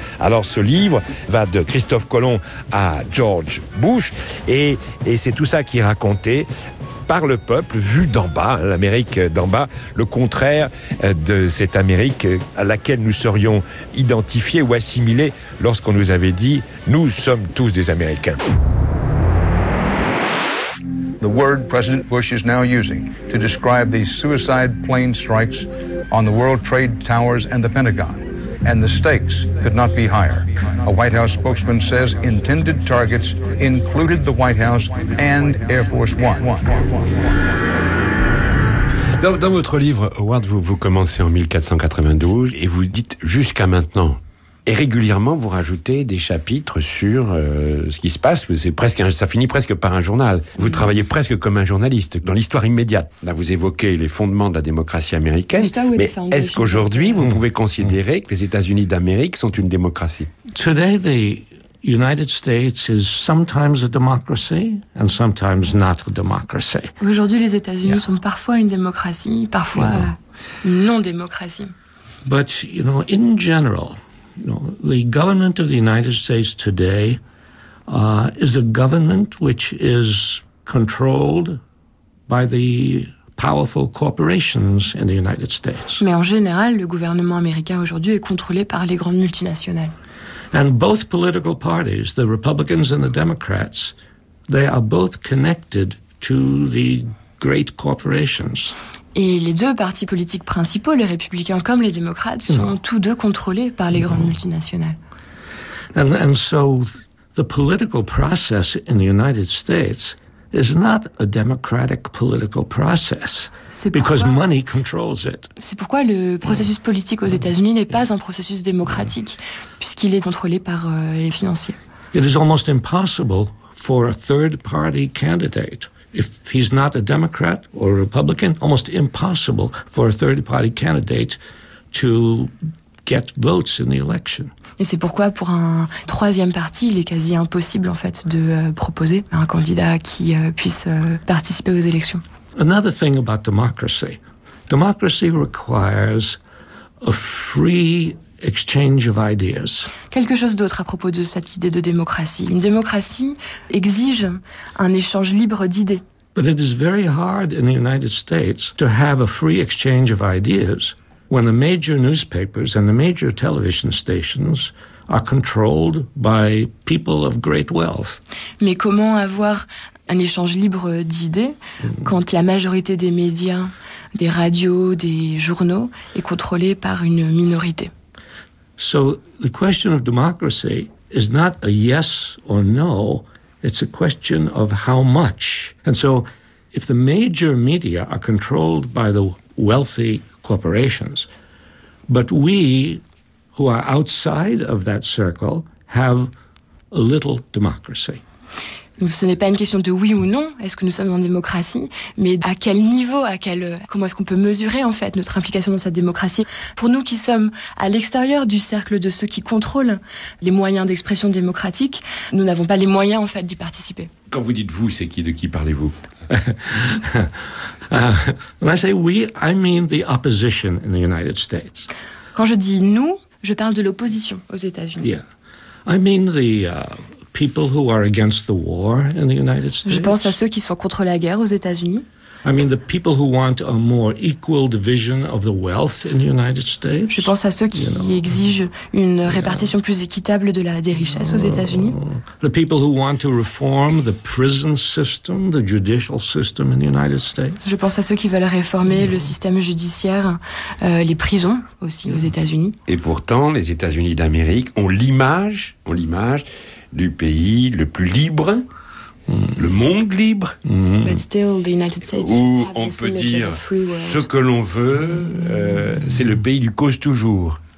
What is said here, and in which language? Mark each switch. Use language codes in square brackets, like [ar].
[fr] Alors ce livre va de Christophe Colomb à George Bush, et c'est tout ça qui est raconté par le peuple, vu d'en bas, hein, l'Amérique d'en bas, le contraire de cette Amérique à laquelle nous serions identifiés ou assimilés lorsqu'on nous avait dit « Nous sommes tous des Américains ». [en] The word President Bush is now using to describe these suicide plane strikes on the World Trade Towers and the Pentagon. And the stakes could not be higher. A White House spokesman says intended targets included the White House and Air Force One. [fr] Dans votre livre, Howard, vous commencez en 1492 et vous dites jusqu'à maintenant. Et régulièrement, vous rajoutez des chapitres sur ce qui se passe. Ça finit presque par un journal. Vous travaillez presque comme un journaliste dans l'histoire immédiate. Là, vous évoquez les fondements de la démocratie américaine. Mais est-ce qu'aujourd'hui, vous pouvez considérer que les États-Unis d'Amérique sont une démocratie? [en] Today, the United States is sometimes a democracy and sometimes not a democracy. [fr] Aujourd'hui, les États-Unis sont parfois une démocratie, parfois une non-démocratie. [en] But you know, in general. You know, the government of the United States today is a government which is controlled by the powerful corporations in the United States. [fr] Mais en général, le gouvernement américain aujourd'hui est contrôlé par les grandes multinationales. [en] And both political parties, the Republicans and the Democrats, they are both connected to the great corporations. [fr] Et les deux partis politiques principaux, les républicains comme les démocrates, sont tous deux contrôlés par les grandes multinationales. [en] And so the political process in the United States is not a democratic political process because money controls it. [fr] C'est pourquoi le processus politique aux États-Unis n'est pas un processus démocratique puisqu'il est contrôlé par les financiers. [en] It is almost impossible for a third party candidate. If he's not a Democrat or a Republican, almost impossible for a third-party candidate to get votes in the election. [fr] Et c'est pourquoi pour un troisième parti, il est quasi impossible en fait de proposer un candidat qui puisse participer aux élections. [en] Another thing about democracy. Democracy requires a free exchange of ideas. [fr] Quelque chose d'autre à propos de cette idée de démocratie. Une démocratie exige un échange libre d'idées. [en] But it is very hard in the United States to have a free exchange of ideas when the major newspapers and the major television stations are controlled by people of great wealth. [fr] Mais comment avoir un échange libre d'idées quand la majorité des médias, des radios, des journaux est contrôlée par une minorité? [en] So the question of democracy is not a yes or no, it's a question of how much. And so if the major media are controlled by the wealthy corporations, but we who are outside of that circle have a little democracy. [fr] Ce n'est pas une question de oui ou non, est-ce que nous sommes en démocratie, mais à quel niveau, comment est-ce qu'on peut mesurer en fait notre implication dans cette démocratie. Pour nous qui sommes à l'extérieur du cercle de ceux qui contrôlent les moyens d'expression démocratique, nous n'avons pas les moyens en fait d'y participer. Quand vous dites vous, c'est qui, de qui parlez-vous? [en] When I say we, I mean the opposition in the United States. [fr] Quand je dis nous, je parle de l'opposition aux États-Unis. [en] Yeah, I mean the people who are against the war in the United States. [fr] Je pense à ceux qui sont contre la guerre aux États-Unis. [en] I mean the people who want a more equal division of the wealth in the United States. [fr] Je pense à ceux qui exigent une répartition plus équitable de des richesses aux États-Unis. [en] The people who want to reform the prison system, the judicial system in the United States. [fr] Je pense à ceux qui veulent réformer le système judiciaire, les prisons aussi aux États-Unis. Et pourtant, les États-Unis d'Amérique ont l'image du pays le plus libre, le monde libre, [en] but still, the United States [fr] où on peut dire ce que l'on veut, c'est le pays du cause toujours.